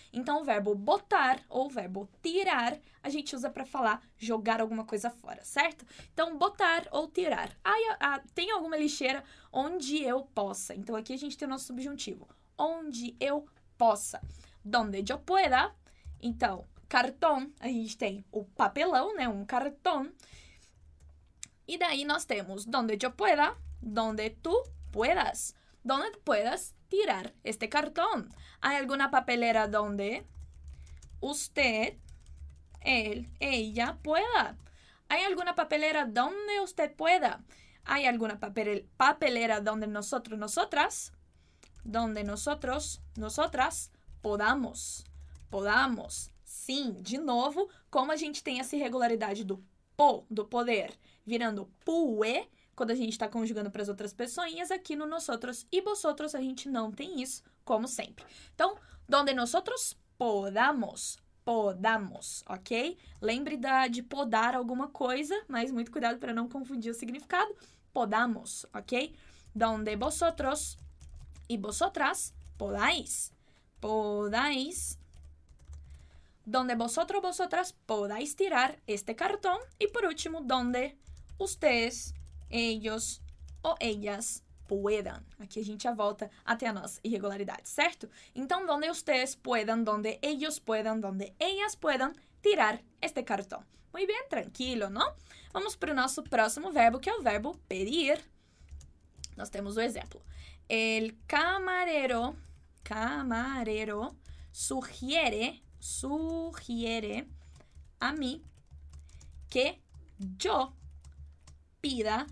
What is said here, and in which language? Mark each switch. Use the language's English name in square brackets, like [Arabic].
[Portuguese] Então, o verbo botar ou o verbo tirar, a gente usa para falar jogar alguma coisa fora, certo? Então, botar ou tirar. Tem alguma lixeira onde eu possa. Então, aqui a gente tem o nosso subjuntivo. Onde eu possa. [Spanish] Donde yo pueda. [Portuguese] Então, cartón, a gente tem o papelão, né? Um cartón. E daí nós temos [Spanish] donde yo pueda, donde tú puedas. Donde puedas tirar este cartón. ¿Hay alguna papelera donde usted, él, ella pueda? ¿Hay alguna papelera donde usted pueda? ¿Hay alguna papelera donde nosotros, nosotras? Donde nosotros, nosotras podamos. Podamos. [Portuguese] Sim, de novo, como a gente tem essa irregularidade do poder virando pué, quando a gente está conjugando para as outras pessoinhas, aqui no nosotros e vosotros a gente não tem isso, como sempre. [Spanish] Então, donde nosotros podamos. Podamos, ok? [Portuguese] Lembre de podar alguma coisa, mas muito cuidado para não confundir o significado. [Spanish] Podamos, ok? Donde vosotros e vosotras podáis. Podáis. Donde vosotros, vosotras podáis tirar este cartón. Y por último, donde ustedes, ellos o ellas puedan. [Portuguese] Aqui a gente já volta até a nossa irregularidade, certo? [Spanish] Então, donde ustedes puedan, donde ellos puedan, donde ellas puedan tirar este cartón. Muy bien, tranquilo, ¿no? [Portuguese] Vamos para o nosso próximo verbo, que é o verbo pedir. [Spanish] Nós temos o exemplo. El camarero, camarero, sugiere. Sugiere a mí que yo pida.